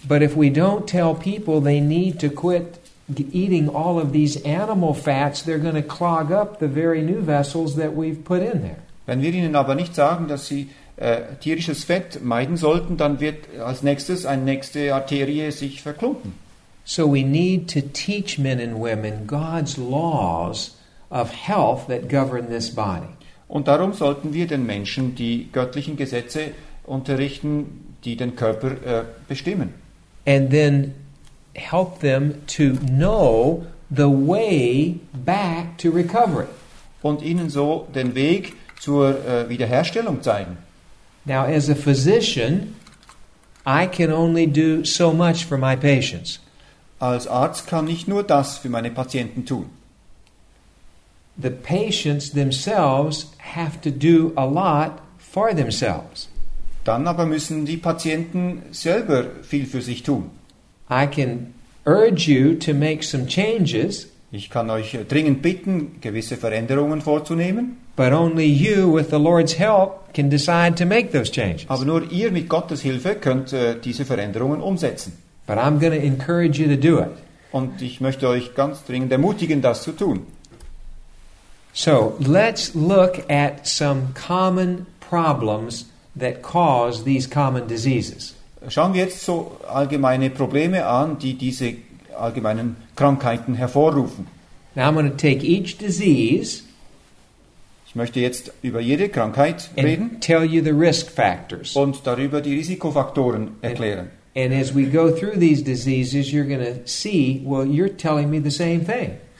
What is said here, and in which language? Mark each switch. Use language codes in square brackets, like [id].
[en] But if we don't tell people they need to quit eating all of these animal fats, they're going to clog up the very new vessels that we've put in there. [de] Wenn wir ihnen aber nicht sagen, dass sie tierisches Fett meiden sollten, dann wird als nächstes eine nächste Arterie sich verklumpen. [en] So we need to teach men and women God's laws of health that govern this body. [de] Und darum sollten wir den Menschen die göttlichen Gesetze unterrichten, die den Körper bestimmen. [en] And then help them to know the way back to recovery. [de] Und ihnen so den Weg zur Wiederherstellung zeigen. [en] Now as a physician, I can only do so much for my patients. [de] Als Arzt kann ich nur das für meine Patienten tun. [en] The patients themselves have to do a lot for themselves. [de] Dann aber müssen die Patienten selber viel für sich tun. [en] I can urge you to make some changes. [de] Ich kann euch dringend bitten, gewisse Veränderungen vorzunehmen. [en] But only you, with the Lord's help, can decide to make those changes. [de] Aber nur ihr mit Gottes Hilfe könnt diese Veränderungen umsetzen. [en] But I'm going to encourage you to do it. [de] Und ich möchte euch ganz dringend ermutigen, das zu tun. [en] So, let's look at some common problems that cause these common diseases. [de] Schauen wir jetzt so allgemeine Probleme an, die diese allgemeinen Krankheiten hervorrufen. [en] Now I'm going to take each disease. [de] Ich möchte jetzt über jede Krankheit reden. [en] Tell you the risk factors. [de] Und darüber die Risikofaktoren erklären. [en] And as we go through these diseases, you're going to see, well, you're telling me the same thing.